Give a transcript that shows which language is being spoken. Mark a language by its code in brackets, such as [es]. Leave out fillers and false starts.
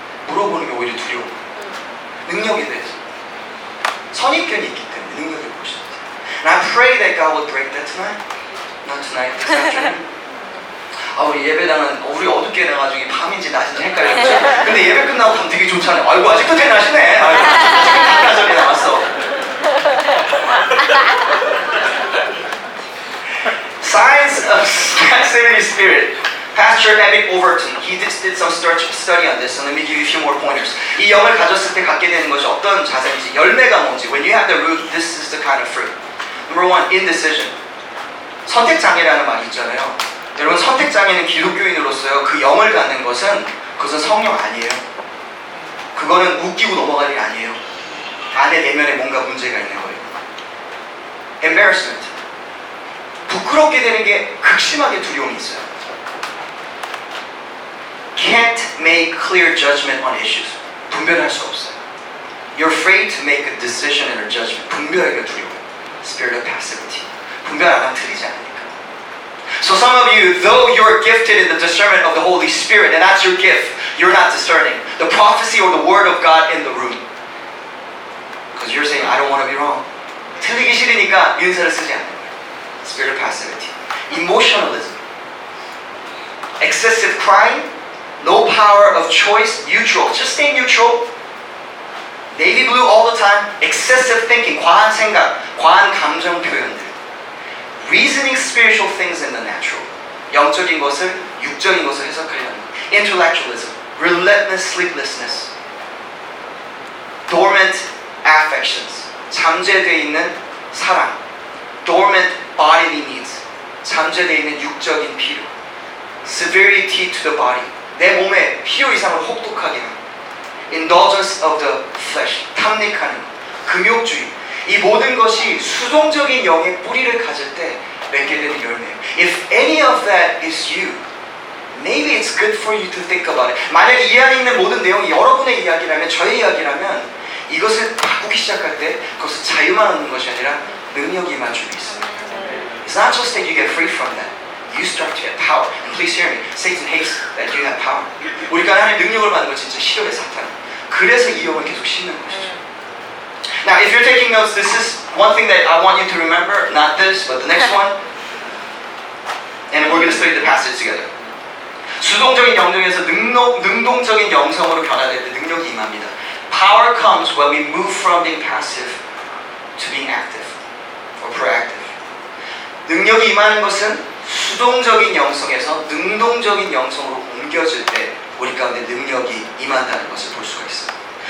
[ko] 물어보는 게 오히려 두려워. 능력에 대해서. 선입견이 있기 때문에 능력을 볼 수 있어요. [en] And I pray that God will break that tonight. Not tonight, this afternoon. [ko] 아, 우리 예배당은 우리 어둡게 돼가지고 밤인지 낮인지 헷갈렸죠? 근데 예배 끝나고 가면 되게 좋잖아요. 아이고 아직도 대낮이네. 아이고 가절이 나왔어. [en] Signs of passivity spirit. Pastor Emmett Overton, he just did some study on this. So let me give you a few more pointers. [ko] 이 영을 가졌을 때 갖게 되는 것이 어떤 자세인지, 열매가 뭔지. [en] When you have the root, this is the kind of fruit. Number one, indecision. [ko] 선택장애라는 말이 있잖아요. 여러분, 선택장애는 기독교인으로서요, 그 영을 갖는 것은, 그것은 성령 아니에요. 그거는 웃기고 넘어갈 일 아니에요. 안에 내면에 뭔가 문제가 있는 거예요. [en] Embarrassment. [ko] 부끄럽게 되는 게 극심하게 두려움이 있어요. [en] Can't make clear judgment on issues. [ko] 분별할 수 없어요. [en] You're afraid to make a decision and a judgment. [ko] 분별하기가 두려워요. [en] Spirit of passivity. [ko] 분별 안 하면 틀리지 않아요. [en] So some of you, though you're gifted in the discernment of the Holy Spirit, and that's your gift, you're not discerning the prophecy or the word of God in the room. Because you're saying, I don't want to be wrong. [ko] 틀리기 싫으니까 인사를 쓰지 않는 거예요. [en] Spirit of passivity. Emotionalism. Excessive crying. No power of choice. Neutral. Just stay neutral. Navy blue all the time. Excessive thinking. [ko] 과한 생각. 과한 감정 표현들. [en] Reasoning spiritual things in the natural. [ko] 영적인 것을 육적인 것을 해석하려는 것. [en] Intellectualism. Relentless sleeplessness. Dormant affections. [ko] 잠재되어 있는 사랑. [en] Dormant bodily needs. [ko] 잠재되어 있는 육적인 필요. [en] Severity to the body. [ko] 내 몸에 필요 이상을 혹독하게 하는. [en] Indulgence of the flesh. [ko] 탐닉하는 것. 금욕주의. 이 모든 것이 수동적인 영의 뿌리를 가질 때 맺게 되는 열매예요. [en] If any of that is you, maybe it's good for you to think about it. [ko] 만약에 이 안에 있는 모든 내용이 여러분의 이야기라면, 저의 이야기라면 이것을 바꾸기 시작할 때 그것은 자유만 얻는 것이 아니라 능력이 임할 줄 있습니다. [en] It's not just that you get free from that. You start to get power. And please hear me. Satan hates that you have power. [ko] 우리가 하나님의 능력을 받는 건 진짜 싫어해, 사탄. 그래서 이 영을 계속 심는 것이죠. [en] Now, if you're taking notes, this is one thing that I want you to remember. Not this, but the next one. And we're going to study the passage together. [ko] 수동적인 영역에서 능동적인 영성으로 변화될 때 능력이 임합니다. [en] Power comes when we move from being passive to being active or proactive. [ko] 능력이 임하는 것은 수동적인 영성에서 능동적인 영성으로 옮겨질 때 우리 가운데 능력이 임한다는 것을 볼 수가 있어요.